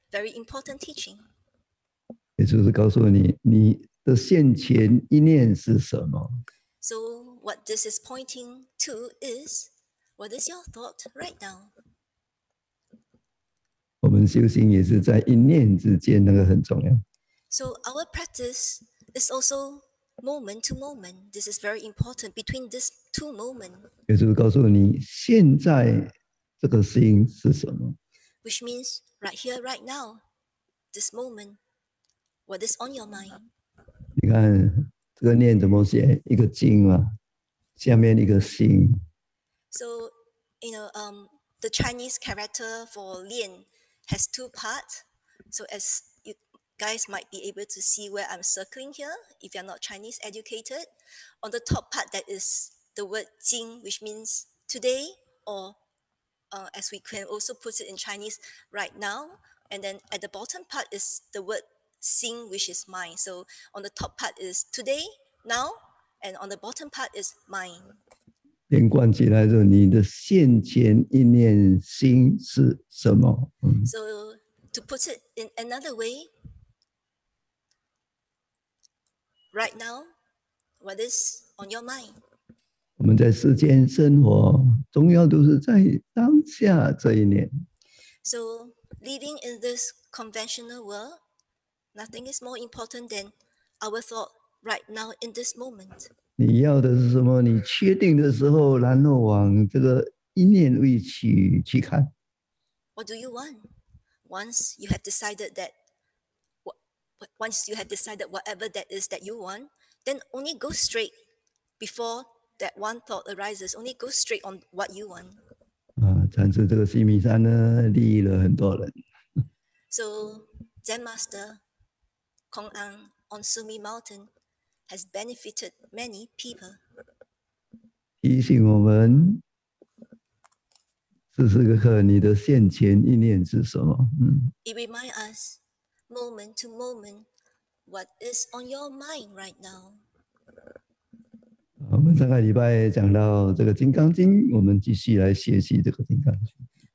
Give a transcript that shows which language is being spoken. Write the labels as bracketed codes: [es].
[en] Very important teaching. [zh] 也就是告诉你，你的现前一念是什么。 [en] So what this is pointing to is. What is your thought right now? [zh] 我们修行也是在一念之间，那个很重要。 [en] So our practice is also moment to moment. This is very important between these two moments. [zh] 也就是告诉你现在这个心是什么。 [en] Which means right here, right now, this moment, what is on your mind? [zh] 你看这个念怎么写？一个经嘛，下面一个心。 [en] So, you know, the Chinese character for lian has two parts. So as you guys might be able to see where I'm circling here, if you're not Chinese educated, on the top part, that is the word jing, which means today, or as we can also put it in Chinese, right now. And then at the bottom part is the word xing, which is mind. So on the top part is today, now, and on the bottom part is mind. [zh] 连贯起来说，你的现前一念心是什么？ [en] So to put it in another way, right now, what is on your mind? [zh] 我们在世间生活，重要都是在当下这一念。 [en] So living in this conventional world, nothing is more important than our thought right now in this moment. [zh] 你要的是什么？你确定的时候，然后往这个一念位去看。 [en] What do you want? Once you have decided that, once you have decided whatever that is that you want, then only go straight before. That one thought arises, only go straight on what you want. [zh] 啊，禅师这个西米山呢，利益了很多人。 [en] So Zen Master Kong An on Sumi Mountain has benefited many people. [zh] 提醒我们，此时此刻你的现前意念是什么？嗯。 [en] It reminds us, moment to moment, what is on your mind right now. [zh] 我们上个礼拜讲到这个《金刚经》，我们继续来学习这个《金刚经》。